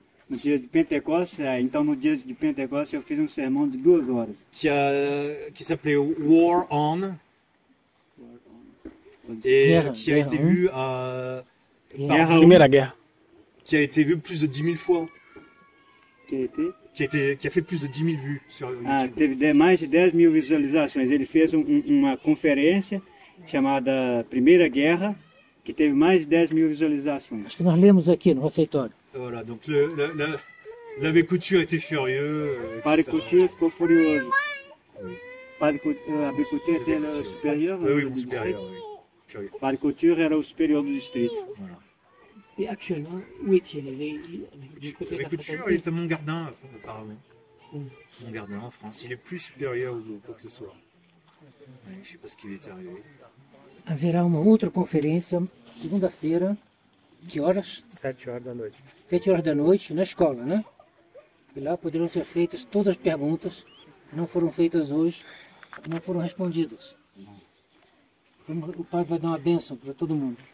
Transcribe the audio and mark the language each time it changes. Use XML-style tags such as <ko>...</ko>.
<fr>Le jour de Pentecôte, alors le jour de Pentecôte, j'ai fait un sermon de 2 heures. Qui s'appelait War On. Et qui a été vu à... Première guerre. Qui a été vu plus de 10 000 fois. Qui a été... Qui a fait plus de 10 000 vues sur YouTube.</fr> <pt>Ah, teve mais de 10 000 visualizações.</pt> <fr>Il a fait une conférence...</fr> <pt>chamada Primeira Guerra, que teve mais de 10 mil visualizações. Acho que nós lemos aqui no refeitório.</pt> <fr>Voilà, donc l'abbé Couture était furieux.</fr> <pt>Padre Couture ficou furioso.</pt> <fr>Padre Couture était le supérieur. Oui, le supérieur, oui.</fr> <pt>Padre Couture era o superior do distrito.</pt> <fr>Voilà. Et actuellement, où est-il? L'abbé Couture est à Montgardin, apparemment. Montgardin, en France. Il est plus supérieur ou quoi que ce soit. Je ne sais pas ce qui lui est arrivé.</fr> <pt>Haverá uma outra conferência segunda-feira, que horas? 7 horas da noite. 7 horas da noite, na escola, né? E lá poderão ser feitas todas as perguntas que não foram feitas hoje, que não foram respondidas. O padre vai dar uma bênção para todo mundo.</pt>